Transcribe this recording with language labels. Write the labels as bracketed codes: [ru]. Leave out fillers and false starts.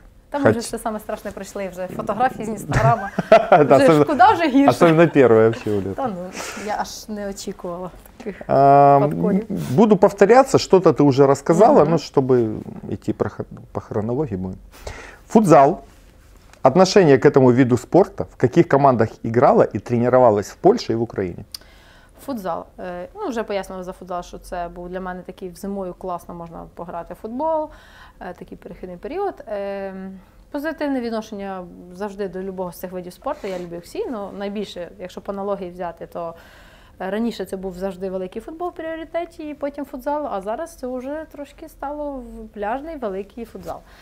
[uk] Там вже все саме страшне пройшли вже. Фотографії з Інстаграма. Вже ж куди вже гірше. Особливо перше взагалі. Та ну, я аж не очікувала таких подколів. Буду повторятися, що-то ти вже розказала, ну, щоб йти по хронології. Футзал. [ru] Отношение к этому виду спорта, в каких командах играла и тренировалась в Польше и в Украине? [uk] Футзал. Ну, вже пояснила за футзал, що це був для мене такий зимою класно можна пограти в футбол, такий перехідний період. позитивне відношення завжди до любого з цих видів спорту. Я люблю всі, але найбільше, якщо по аналогії взяти, то раніше це був завжди великий футбол в пріоритеті, і потім футзал, а зараз це вже трошки стало в пляжний великий футзал.